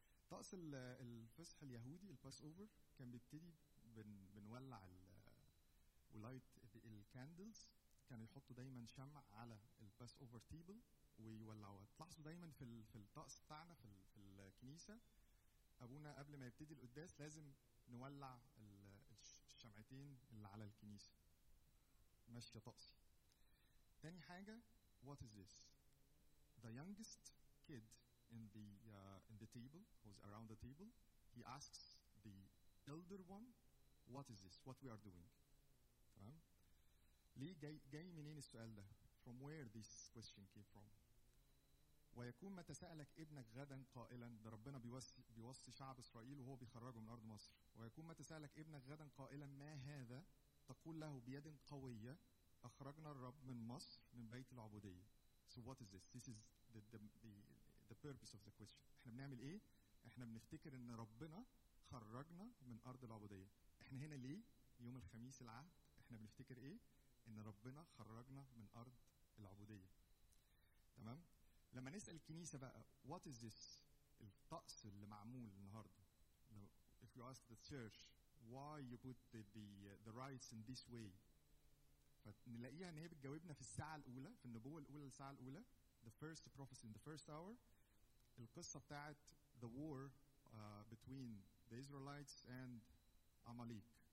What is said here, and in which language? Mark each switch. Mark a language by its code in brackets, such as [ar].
[ar] طقس الفصح اليهودي الباس اوفر كان بيبتدي بنولع ولايت الكاندلز، كانوا يحطوا دايما شمع على الباس اوفر تيبل ويولعوها. تلاحظوا دايما في الطقس بتاعنا في الكنيسه ابونا قبل ما يبتدي القداس لازم نولع الشمعتين اللي على الكنيسه، ماشيه طقسي. تاني حاجه، [en] what is this the youngest kid in the table who's around the table he asks the elder one what is this what we are doing. [ar] تمام، ليه جاي منين السؤال ده؟ [en] From where this question came from. [ar] ويكون ما تسألك ابنك غدا قائلا، ده ربنا بيوصي شعب اسرائيل وهو بيخرجه من ارض مصر. ويكون ما تسألك ابنك غدا قائلا ما هذا، تقول له بيد قوية اخرجنا الرب من مصر من بيت العبودية. [en] So what is this? This is the purpose of the question. [ar] احنا بنعمل ايه؟ احنا بنفتكر ان ربنا خرجنا من ارض العبودية. احنا هنا ليه؟ يوم الخميس العهد احنا بنفتكر ايه؟ ان ربنا خرجنا من ارض العبوديه. تمام، لما نسال الكنيسه بقى [en] what is this [ar] الطقس اللي معمول النهارده، [en] if you ask the church why you put the rites in this way، [ar] فنلاقيها ان هي بتجاوبنا في الساعه الاولى، [en] في النبوه الاولى، الساعه الاولى the first prophecy in the first hour، [ar] القصه بتاعت [en] the war between the Israelites and Amalek.